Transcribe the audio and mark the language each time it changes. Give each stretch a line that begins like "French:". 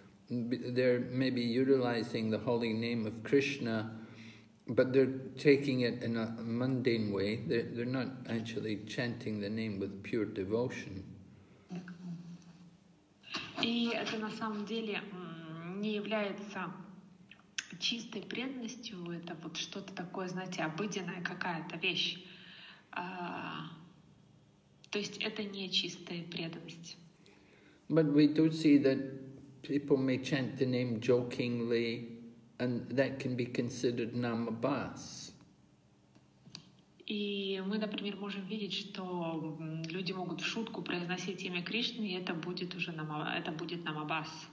English: They're maybe utilizing the holy name of Krishna, but they're taking it in a mundane way. They're not actually chanting the name with pure devotion.
Russian: И это на самом деле не является чистой преданностью. Это вот что-то такое, знаете, обыденная какая-то вещь. То есть это не чистая преданность.
English: But we do see that people may chant the name jokingly, and that can be considered namabhas.
Russian: И мы, например, можем видеть, что люди могут в шутку произносить имя Кришны, и это будет уже намабас.